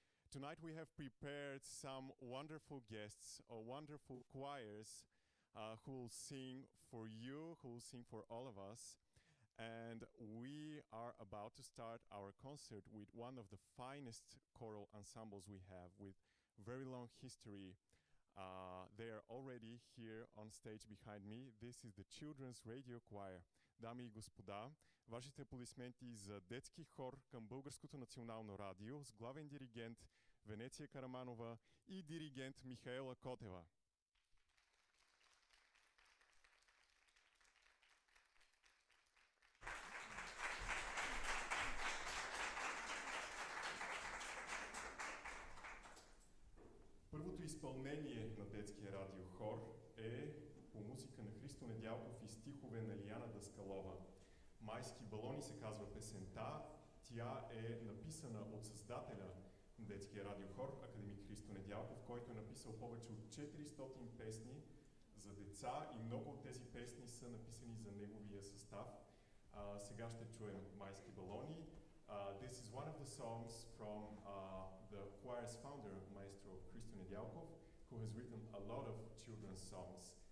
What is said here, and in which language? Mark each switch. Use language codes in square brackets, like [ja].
[en] Tonight we have prepared some wonderful guests, or wonderful choirs, who will sing for you, who will sing for all of us. And we are about to start our concert with one of the finest choral ensembles we have, with very long history. They are already here on stage behind me. This is the Children's Radio Choir. [bg] Дами и господа, вашите аплодисменти за детски хор към Българското национално радио с главен диригент Венеция Караманова и диригент Михаела Котева. Първото изпълнение на детския радиохор е по музика на Христо Недялков и стихове на Лиана Даскалова. Майски балони се казва песента. Тя е написана от създателя на детския радиохор, академик Христо Недялков, който е написал повече от 400 песни за деца и много от тези песни са написани за неговия състав. Сега ще чуем Майски балони. [en] This is one of the songs from the choir's founder, Maestro Christo Nedialkov, who has written a lot of children's songs.